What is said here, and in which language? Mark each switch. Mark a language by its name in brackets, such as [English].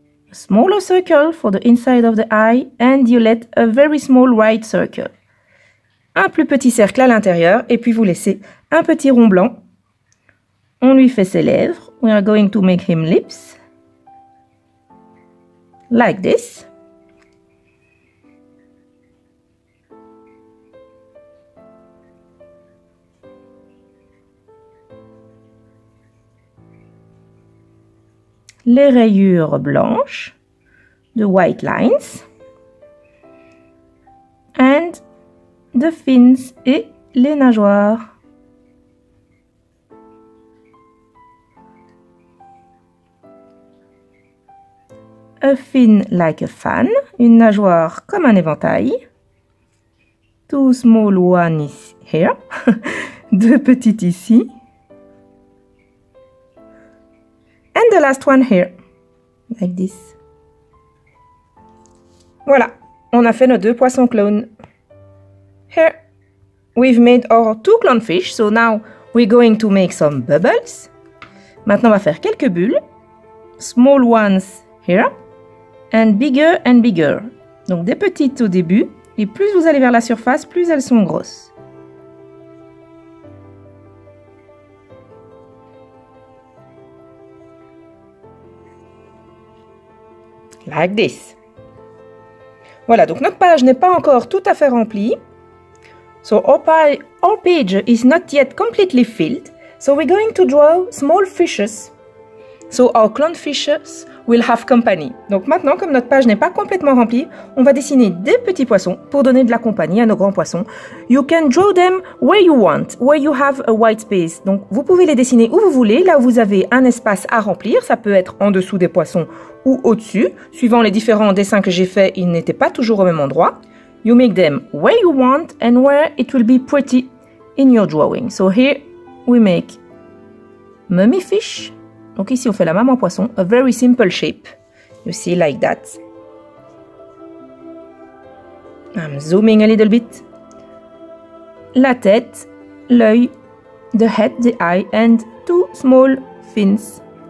[English] A smaller circle for the inside of the eye. And you let a very small white circle. [French] Un plus petit cercle à l'intérieur. Et puis vous laissez un petit rond blanc. On lui fait ses lèvres. [English] We are going to make him lips. Like this. [French] Les rayures blanches, [English] the white lines, and the fins [French] et les nageoires. [English] A fin like a fan, [French] une nageoire comme un éventail. [English] Two small ones here, [French] deux petites ici. [English] And the last one here, like this. [French] Voilà, on a fait nos deux poissons clowns. [English] Here, we've made our two clownfish, so now we're going to make some bubbles. [French] Maintenant, on va faire quelques bulles. [English] Small ones here, and bigger. [French] Donc, des petites au début, et plus vous allez vers la surface, plus elles sont grosses. [English] Like this. [French] Voilà, donc notre page n'est pas encore tout à fait remplie. [English] So our page is not yet completely filled. So we're going to draw small fishes. so our clownfishes will have company. [French] Donc maintenant, comme notre page n'est pas complètement remplie, on va dessiner des petits poissons pour donner de la compagnie à nos grands poissons. [English] You can draw them where you want, where you have a white space. [French] Donc vous pouvez les dessiner où vous voulez, là où vous avez un espace à remplir. Ça peut être en dessous des poissons ou au-dessus. Suivant les différents dessins que j'ai faits, ils n'étaient pas toujours au même endroit. [English] You make them where you want and where it will be pretty in your drawing. So here we make mummy fish. [French] Donc ici on fait la maman poisson, [English] a very simple shape. You see like that. I'm zooming a little bit. [French] La tête, l'œil, [English] the head, the eye and two small fins.